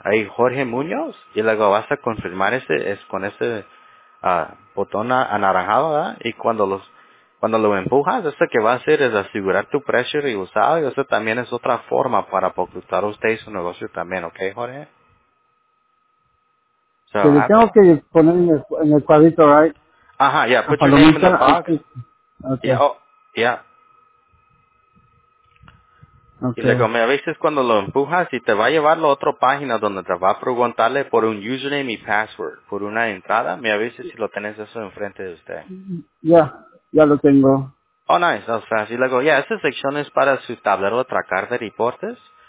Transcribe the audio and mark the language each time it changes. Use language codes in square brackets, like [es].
[es] Ahí Jorge Muñoz, y luego vas a confirmar ese, es con ese botón anaranjado, ¿verdad? Y cuando los cuando lo empujas, eso que va a hacer es asegurar tu precio rebusado, y eso también es otra forma para apoyar a usted y su negocio también, ¿ok, Jorge? So, que le tengo que poner en el cuadrito, [en] right? Ajá, ya, yeah, put your name in the box. Okay. Yeah, oh, yeah. Okay. [es] Y luego, a veces cuando lo empujas y te va a llevar a la otra página donde te va a preguntarle por un username y password, por una entrada, a veces si lo tenés eso enfrente de usted. Ya, yeah, ya lo tengo. [en] Oh, nice. [es] O sea, y luego, ya, esta sección es para su tablero de tracar de reportes.